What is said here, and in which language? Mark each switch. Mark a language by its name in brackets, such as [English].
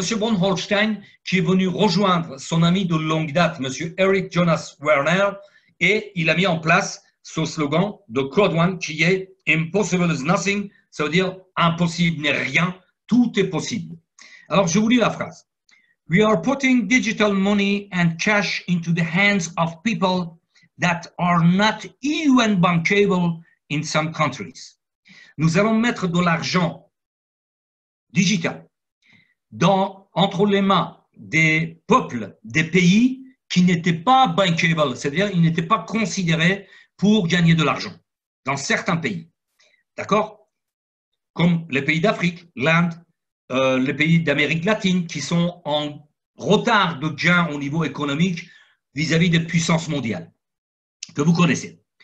[French] von Holstein qui est venu rejoindre son ami de longue date, M. Eric Jonas Werner, et il a mis en place ce slogan de Code One qui est [English] Impossible is nothing, [French] ça veut dire impossible n'est rien, tout est possible. Alors je vous lis la phrase. [English] We are putting digital money and cash into the hands of people that are not even bankable in some countries. [French] Nous allons mettre de l'argent digital entre les mains des peuples, des pays qui n'étaient pas bankable, c'est-à-dire ils n'étaient pas considérés pour gagner de l'argent dans certains pays. D'accord ? Comme les pays d'Afrique, l'Inde, les pays d'Amérique latine qui sont en retard de gain au niveau économique vis-à-vis des puissances mondiales que vous connaissez.